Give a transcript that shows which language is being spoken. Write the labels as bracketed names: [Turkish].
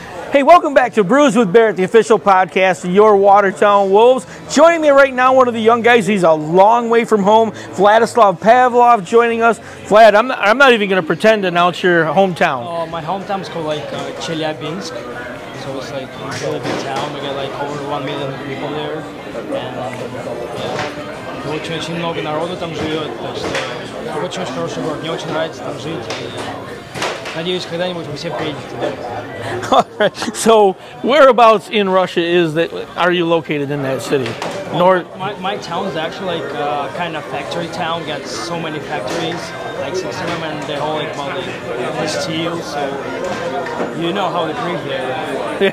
[English] Hey, welcome back to Brews with Barrett, the official podcast of your Watertown Wolves. Joining me right now, one of the young guys, he's a long way from home, Vladislav Pavlov joining us. Vlad, I'm not even going to pretend to announce your hometown. My hometown's called like Chelyabinsk, so it's like a really big town. We got like over 1 million people there. And [Russian] очень-очень много народу там живет, так что очень хороший город, мне очень нравится там жить. Надеюсь, когда-нибудь вы все приедете туда. [English] So, whereabouts in Russia are you located in that city? My town is actually like a kind of factory town. Got so many factories, like 6 of them, and they're all like mostly steel. So, you know how they breathe here.